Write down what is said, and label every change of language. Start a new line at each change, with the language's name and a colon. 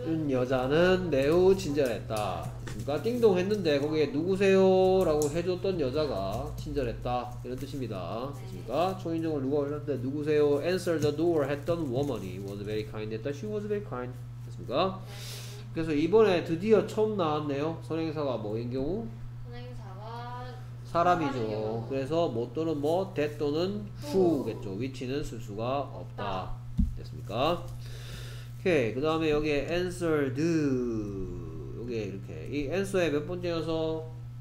Korean: 여자는 매우 친절했다. 그러니까 띵동 했는데 거기에 누구세요? 라고 해줬던 여자가 친절했다 이런 뜻입니다. 그러니까 초인종을 누가 올렸는데 누구세요?
English: Answer the door
Korean: 했던
English: woman이 was very kind
Korean: 했다.
English: She was very kind.
Korean: 됐습니까? 그래서 이번에 드디어 처음 나왔네요. 선행사가 뭐인 경우? 선행사가 사람이죠. 그래서 뭐 또는 뭐 that 또는 who겠죠. which는 쓸 수가 없다. 됐습니까? 오케이. 그 다음에 여기에 answered 여기에 이렇게 이 answer의 몇 번째 녀석?